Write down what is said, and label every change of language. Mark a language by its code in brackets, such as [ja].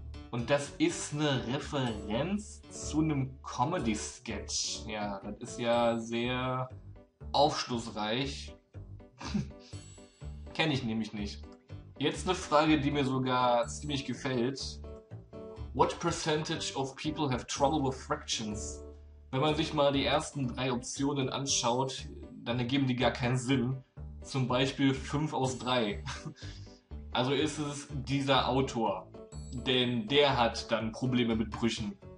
[de] Und das ist eine Referenz zu einem Comedy-Sketch. Ja, das ist ja sehr aufschlussreich. Kenne ich nämlich nicht. Jetzt eine Frage, die mir sogar ziemlich gefällt. [en] What percentage of people have trouble with fractions? [de] Wenn man sich mal die ersten drei Optionen anschaut, dann ergeben die gar keinen Sinn. Zum Beispiel 5 aus 3. Also ist es dieser Autor, denn der hat dann Probleme mit Brüchen.